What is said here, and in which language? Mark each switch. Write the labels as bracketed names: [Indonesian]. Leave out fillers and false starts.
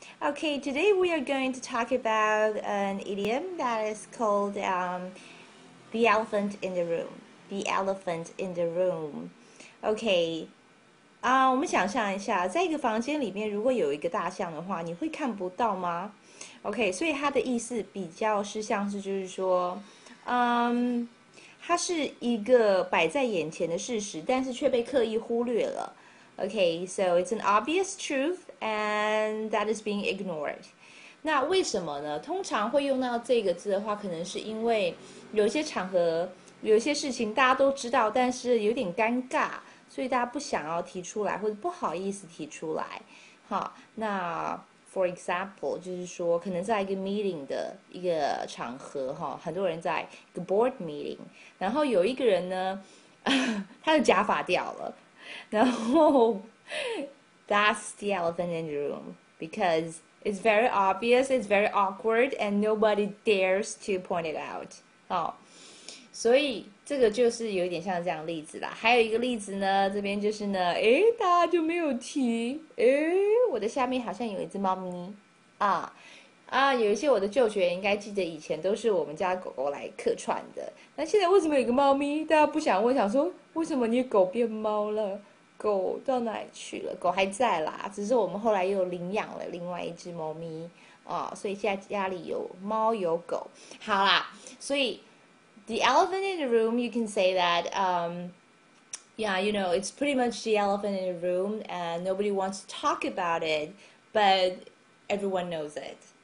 [English] Okay, today we are going to talk about an idiom that is called the elephant in the room. The elephant in the room. [Chinese] Okay, 我们想象一下，在一个房间里面，如果有一个大象的话，你会看不到吗 ？Okay, 所以它的意思比较是像是就是说，它是一个摆在眼前的事实，但是却被刻意忽略了。 [English] Okay, so it's an obvious truth, and that is being ignored. [Chinese] 那为什么呢？通常会用到这个字的话，可能是因为有些场合、有些事情大家都知道，但是有点尴尬，所以大家不想要提出来，或者不好意思提出来。好，那 [English] for example, [Chinese] 就是说，可能在一个 meeting 的一个场合，很多人在一个 board meeting, 然后有一个人呢，他的假发掉了。 [English] 然后 that's the elephant in the room because it's very obvious, it's very awkward, and nobody dares to point it out. [Chinese] 好，所以这个就是有点像这样的例子啦。还有一个例子呢，这边就是呢，哎，大家就没有提，哎，我的下面好像有一只猫咪啊啊，有一些我的旧学员应该记得，以前都是我们家狗狗来客串的。那现在为什么有个猫咪？大家不想问，想说为什么你狗变猫了？狗到哪里去了？狗还在啦，只是我们后来又领养了另外一只猫咪啊，所以现在家里有猫有狗。 [English] 好啦，所以 the elephant in the room, you can say that, yeah, you know, it's pretty much the elephant in the room, and nobody wants to talk about it, but everyone knows it.